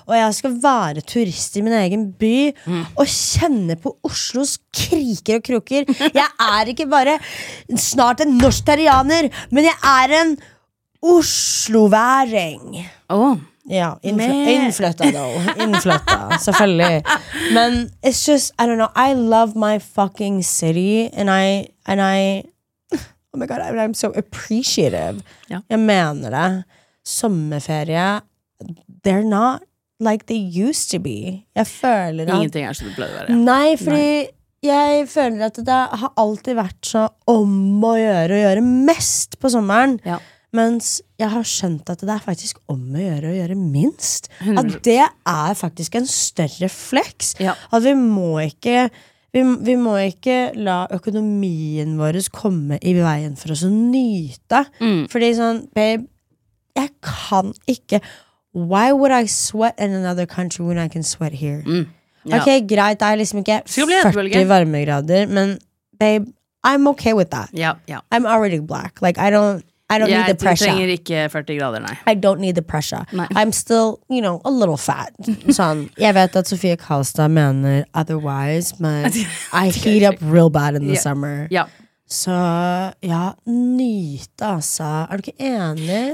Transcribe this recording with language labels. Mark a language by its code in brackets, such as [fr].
[no] Og jeg skal være turist i min egen by, mm, og kjenne på Oslos kriker og kroker. Jeg er ikke bare snart en norsktarianer, men jeg er en osloværing. Åh, oh. Ja, innflytta, selvfølgelig. [en] Men it's just, I don't know, I love my fucking city. And I oh my god, I'm so appreciative, [no] ja. Jeg mener det. [en] Sommerferie, they're not like they used to be. [no] Jeg føler at ingenting er som det pleier å være. Nei, fordi jeg føler at det har alltid vært så om å gjøre, og gjøre mest på sommeren, ja. Mens jeg har skjønt at det er faktisk om å gjøre minst. At det er faktisk en større flex, ja. At vi må ikke vi må ikke la økonomien vår komme i veien for oss å nyte, mm. Fordi sånn, babe, jeg kan ikke. [en] Why would I sweat in another country when I can sweat here? Mm. [no] Ja. Ok, greit, det er liksom ikke 40 varmegrader, men babe, [en] I'm okay with that, [no] ja, ja. [en] I'm already black, like I don't need the pressure. [no] Jeg trenger ikke 40 grader, nei. [en] I don't need the pressure. [no] Nei. [en] I'm still, you know, a little fat. [no] Sånn. Jeg vet at Sofia Karlstad mener [en] otherwise, men I heat up real bad in the, yeah, summer. Ja. Yeah. [no] Så ja, nyte altså. Er du ikke enig?